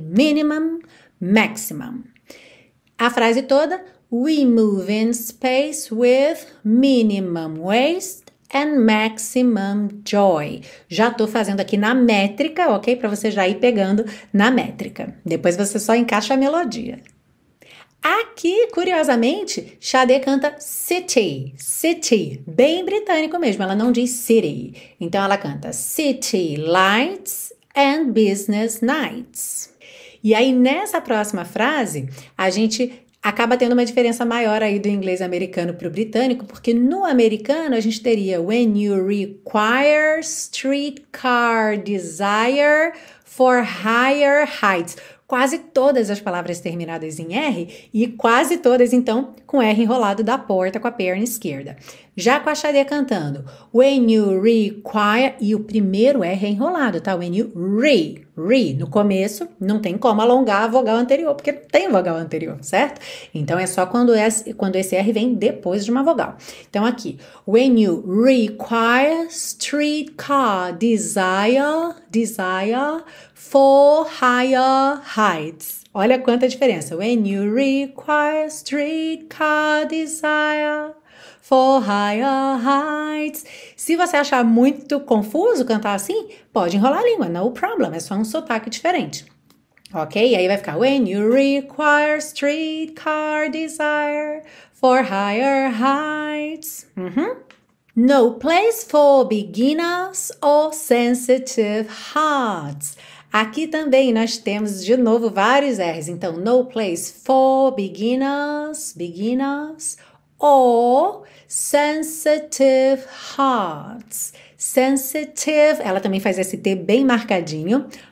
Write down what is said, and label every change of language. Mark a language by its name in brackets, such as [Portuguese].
[English] Minimum, maximum. [Portuguese] A frase toda: [English] we move in space with minimum waste and maximum joy. [Portuguese] Já tô fazendo aqui na métrica, ok? Para você já ir pegando na métrica. Depois você só encaixa a melodia. Aqui, curiosamente, Sade canta city, city, bem britânico mesmo, ela não diz city. Então ela canta [English] city lights and business nights. [Portuguese] E aí, nessa próxima frase, a gente acaba tendo uma diferença maior aí do inglês americano para o britânico, porque no americano a gente teria [English] when you require streetcar desire for higher heights. [Portuguese] Quase todas as palavras terminadas em R e quase todas, então, com R enrolado da porta com a perna esquerda. Já com a Xadê cantando, [English] when you require, [Portuguese] e o primeiro R é enrolado, tá? [English] When you re, [Portuguese] no começo, não tem como alongar a vogal anterior, porque não tem vogal anterior, certo? Então, é só quando esse R vem depois de uma vogal. Então, aqui, [English] when you require streetcar desire for higher heights. [Portuguese] Olha quanta diferença. [English] When you require streetcar desire for higher heights. [Portuguese] Se você achar muito confuso cantar assim, pode enrolar a língua. [English] No problem. [Portuguese] É só um sotaque diferente. Ok? E aí vai ficar. [English] When you require streetcar desire for higher heights. No place for beginners or sensitive hearts. [Portuguese] Aqui também nós temos de novo vários R's. Então, [English] no place for beginners, or sensitive hearts. [Portuguese] Sensitive, ela também faz esse T bem marcadinho.